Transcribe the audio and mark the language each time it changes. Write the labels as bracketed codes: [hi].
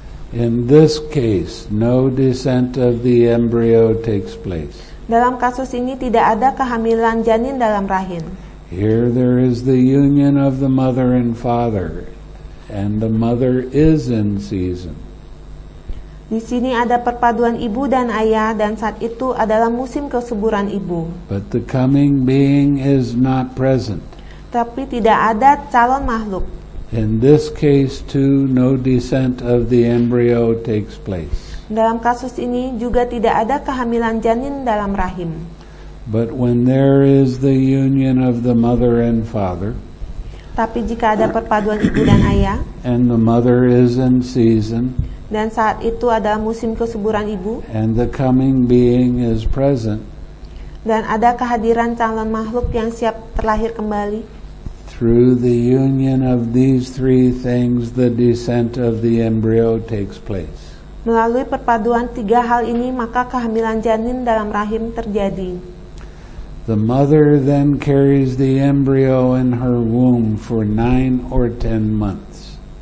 [en] In this case, no descent of the embryo takes place. [id] Dalam kasus ini tidak ada kehamilan janin dalam rahim. [en] Here there is the union of the mother and father, and the mother is in season. [id] Di sini ada perpaduan ibu dan ayah, dan saat itu adalah musim kesuburan ibu. [en] But the coming being is not present. [id] Tapi tidak ada calon makhluk. [en] In this case too, no descent of the embryo takes place. [id] Dalam kasus ini juga tidak ada kehamilan janin dalam rahim. [en] But when there is the union of the mother and father, [id] tapi jika ada perpaduan ibu dan ayah, [en] and the mother is in season, [id] dan saat itu adalah musim kesuburan ibu, [en] and the coming being is present, [id] dan ada kehadiran calon makhluk yang siap terlahir kembali, [en] through the union of these three things, the descent of the embryo takes place. [id] Melalui perpaduan tiga hal ini, maka kehamilan janin dalam rahim terjadi. [en] The mother then carries the embryo in her womb for 9 or 10 months.